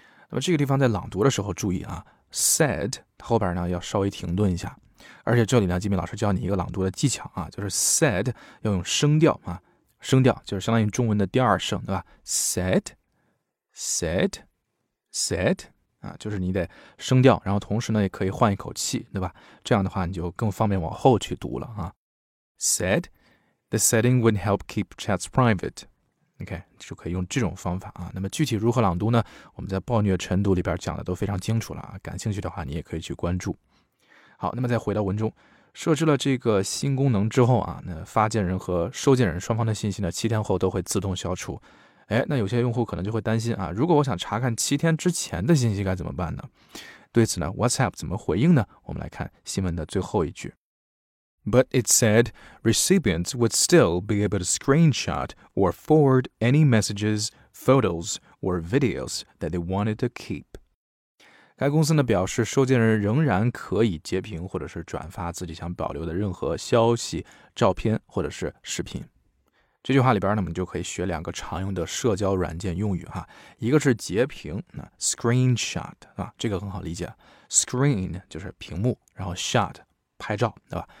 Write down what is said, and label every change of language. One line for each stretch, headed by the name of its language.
Chinese: 那么这个地方在朗读的时候注意啊， said 后边呢要稍微停顿一下，而且这里呢吉米老师教你一个朗读的技巧啊，就是 said 要用声调啊，声调就是相当于中文的第二声，对吧？ said 啊，就是你得声调，然后同时呢也可以换一口气，对吧？这样的话你就更方便往后去读了啊。
English: said the setting would help keep chats private， OK
Chinese: 就可以用这种方法啊。那么具体如何朗读呢，我们在暴虐晨读里边讲的都非常清楚了啊，感兴趣的话你也可以去关注。好，那么再回到文中，设置了这个新功能之后啊，那发件人和收件人双方的信息呢7天后都会自动消除。哎，那有些用户可能就会担心啊，如果我想查看7天之前的信息该怎么办呢？对此呢 WhatsApp 怎么回应呢？我们来看新闻的最后一句。
English: But it said recipients would still be able to screenshot or forward any messages, photos, or videos that they wanted to keep.
Chinese: 该公司呢表示收件人仍然可以截屏或者是转发自己想保留的任何消息、照片或者是视频。这句话里边呢我们就可以学两个常用的社交软件用语哈，一个是截屏 screenshot 啊，这个很好理解， screen 就是屏幕，然后 shot 拍照，对吧？